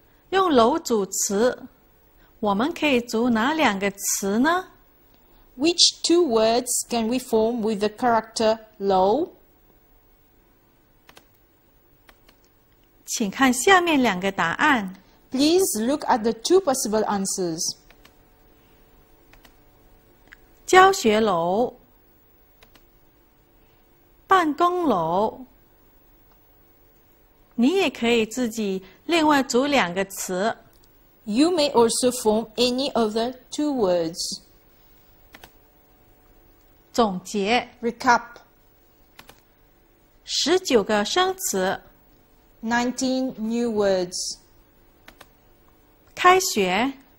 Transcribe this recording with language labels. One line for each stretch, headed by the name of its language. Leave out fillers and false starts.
Chinese: 用楼组词，我们可以组哪两个词呢？
English: Which two words can we form with the character 楼？
Chinese: 请看下面两个答案。
English: Please look at the two possible answers.
Chinese: 教学楼，办公楼。你也可以自己另外组两个词。
English: You may also form any other two words.
Chinese: 总结。
English: Recap.
Chinese: 十九个生词。
English: 19 new words.
Chinese: 开学。